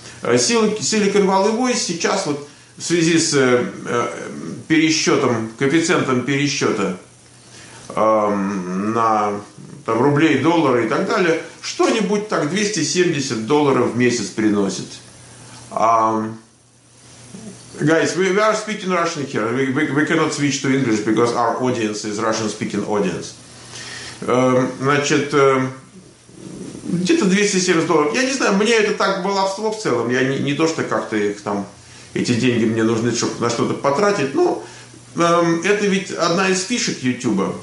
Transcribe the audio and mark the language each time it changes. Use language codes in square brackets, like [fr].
[ru] Silicon Valley Voice сейчас вот в связи с пересчетом, коэффициентом пересчета на там, рублей, доллары и так далее, что-нибудь так $270 в месяц приносит. [en] Guys, we are speaking Russian here. We cannot switch to English because our audience is Russian-speaking audience. [ru] Значит, где-то $270. Я не знаю, мне это так баловство в целом. Я не то, что как-то их там... Эти деньги мне нужны, чтобы на что-то потратить. Ну, это ведь одна из фишек YouTube.